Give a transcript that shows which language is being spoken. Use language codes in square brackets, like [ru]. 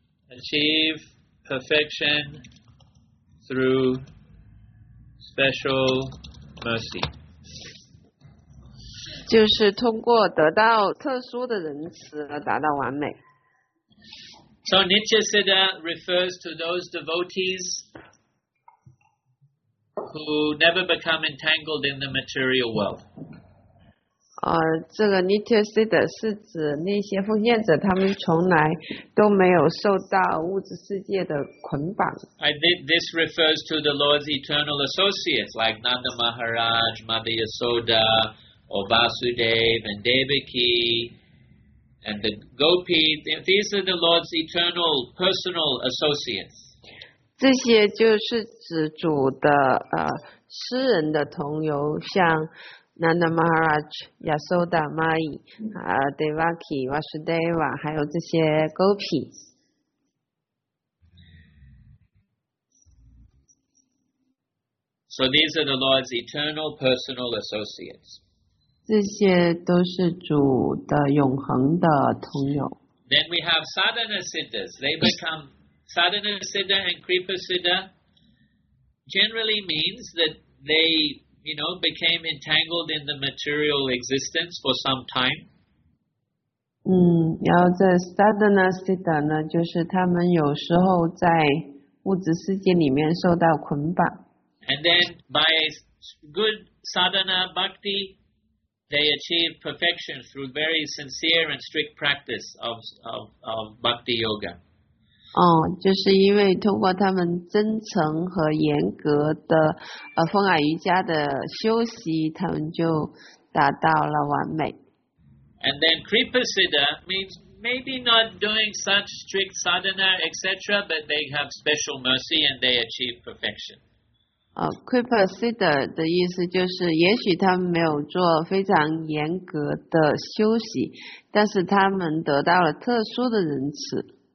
[en] Achieve perfection through special mercy. [zh] 就是通过得到特殊的仁慈而达到完美。 [en] So Nitya Siddha refers to those devotees who never become entangled in the material world. [zh] 这个 Nitya Siddha 是指那些奉献者，他们从来都没有受到物质世界的捆绑。 [en] I think this refers to the Lord's eternal associates like Nanda Maharaj, Mother Yasoda, or Vasudev and Devaki. And the gopi, these are the Lord's eternal personal associates. [zh] 这些就是指主的私人的同游，像 Nanda Maharaj, Yasoda, Mai, Devaki, Vasudeva, 还有这些 gopi. [en] So these are the Lord's eternal personal associates. [zh] 这些都是主的永恒的同友。 [en] Then we have sadhana siddhas. They become sadhana siddha and kripa siddha. Generally means that they, you know, became entangled in the material existence for some time. [zh] 然后这 sadhana siddha 呢，就是他们有时候在物质世界里面受到捆绑。 [en] And then by good sadhana bhakti. They achieve perfection through very sincere and strict practice of bhakti yoga. [zh] 就是因为通过他们真诚和严格的风雅瑜伽的修习，他们就达到了完美。 [en] And then kripa siddha means maybe not doing such strict sadhana, etc., but they have special mercy and they achieve perfection. [zh] Kripa Siddha 的意思就是也许他们没有做非常严格的修习，但是他们得到了特殊的仁慈。